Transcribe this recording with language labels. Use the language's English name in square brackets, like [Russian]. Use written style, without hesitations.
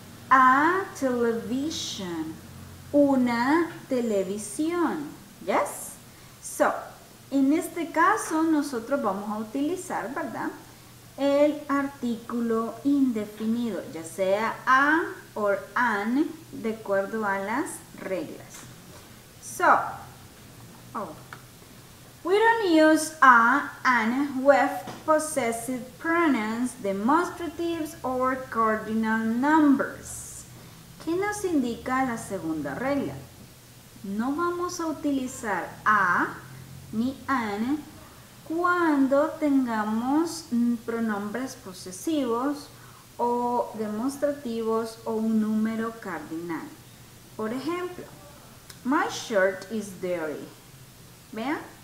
[English] A television. [Spanish] Una televisión. [English] ¿Yes? [Spanish] So, en este caso nosotros vamos a utilizar, ¿verdad? El artículo indefinido, ya sea a o an, de acuerdo a las reglas. [English] So, we don't use a, an, with possessive pronouns, demonstratives, or cardinal numbers. [Spanish] ¿Qué nos indica la segunda regla? No vamos a utilizar a ni an cuando tengamos pronombres posesivos o demostrativos o un número cardinal. Por ejemplo, [English] my shirt is dirty. [Spanish] ¿Vean?